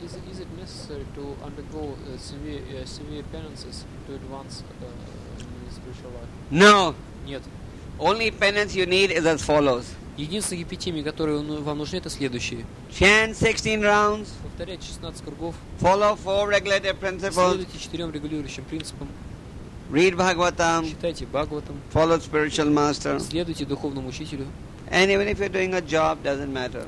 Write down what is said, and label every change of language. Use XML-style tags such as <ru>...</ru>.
<en>Is it necessary to undergo severe penances to advance in spiritual life? No.</en> <ru>Нет.</ru> <en>Only penance you need is as follows.</en> <ru>Единственные эпитимии, которые вам нужны, это следующие.</ru> <en>Chant 16 rounds.</en> <ru>Повторять 16 кругов.</ru> <en>Follow 4 regulative principles.</en> <ru>Следуйте 4 регулирующим принципам.</ru> <en>Read Bhagavatam.</en> <ru>Читайте Бхагаватам.</ru> <en>Follow spiritual master.</en> <ru>Следуйте духовному учителю.</ru> <en>And even if you're doing a job, doesn't matter.</en>